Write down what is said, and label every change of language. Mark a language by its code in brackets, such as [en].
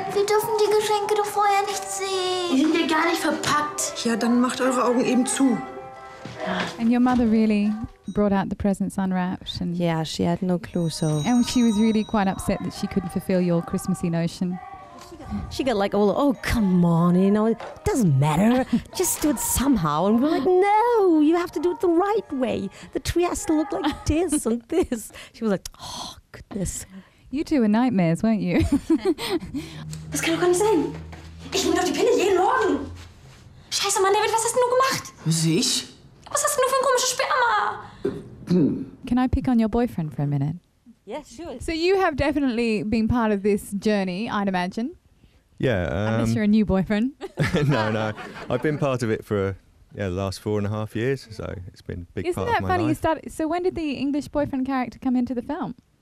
[de] Wir dürfen die Geschenke doch vorher nicht sehen! Die sind ja gar nicht verpackt! Ja, dann macht eure Augen eben zu. [en] And your mother really brought out the presents unwrapped. And yeah, she had no clue, so. And she was really quite upset that she couldn't fulfill your Christmassy notion. She got like, oh, come on, you know, it doesn't matter. Just do it somehow. And we're like, no, you have to do it the right way. The tree has to look like this and this. She was like, oh, goodness. You two were nightmares, weren't you? [de] Was kann doch gar nicht sein. Ich nehme doch die Pille jeden Morgen. Scheiße, Mann, David, was hast du nur gemacht? Was ich? Was hast du nur für ein komisches Sperma? [en] Can I pick on your boyfriend for a minute? Yes, sure. So you have definitely been part of this journey, I'd imagine. Yeah. Unless you're a new boyfriend. No. I've been part of it for the last 4.5 years, so it's been a big Isn't part that of my funny? Life. You started, so when did the English boyfriend character come into the film?